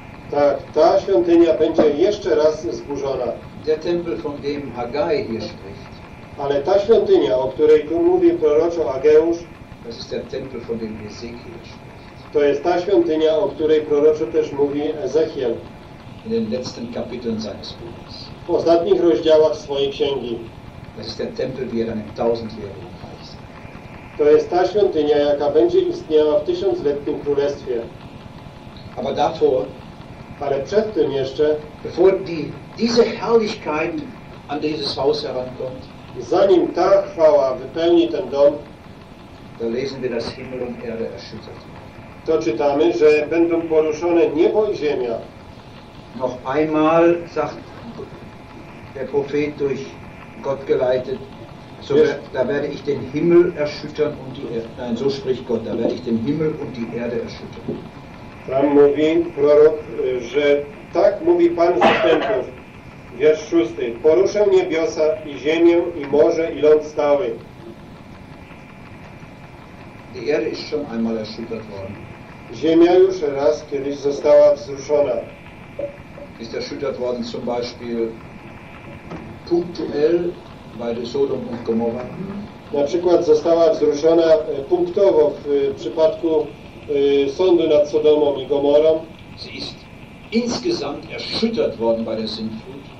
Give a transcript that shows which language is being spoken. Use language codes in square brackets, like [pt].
[pl] Tak, ta świątynia będzie jeszcze raz zburzona. [de] Der Tempel, von dem Haggai hier spricht. [pl] Ale ta świątynia, o której tu mówi proroczo Ageusz, [de] das ist der Tempel, von dem Ezekiel spricht. [pl] To jest ta świątynia, o której proroczo też mówi Ezechiel. [de] In den letzten Kapiteln seines Buches. [pl] W ostatnich rozdziałach swojej księgi. [de] Das ist der Tempel, die er einem tausendjährigen Reich ist. [pl] To jest ta świątynia, jaka będzie istniała w tysiącletnim królestwie. [de] Aber davor, [pl] ale przed tym jeszcze, [de] bevor diese Herrlichkeit an dieses Haus herankommt, [pl] zanim ta chwała wypełni ten dom, [de] da lesen wir, dass Himmel und Erde erschüttert. [pl] To czytamy, że będą poruszone niebo i ziemia. [de] Noch einmal sagt der Prophet durch Gott geleitet, so da werde ich den Himmel erschüttern und die Erde. Nein, so spricht Gott, da werde ich den Himmel und die Erde erschüttern. [pl] Tam mówi prorok, że tak mówi Pan zastępów. Wiersz 6. Poruszę niebiosa i ziemię i morze i ląd stały. [de] Die Erde ist schon einmal erschüttert worden. [pl] Ziemia już raz kiedyś została wzruszona. [de] Ist erschüttert worden zum Beispiel punktuell bei Sodom und Gomorra. [pl] Na przykład została wzruszona punktowo w przypadku sądu nad Sodomą i Gomorą. [de] Sie ist insgesamt erschüttert worden bei der Sintflut.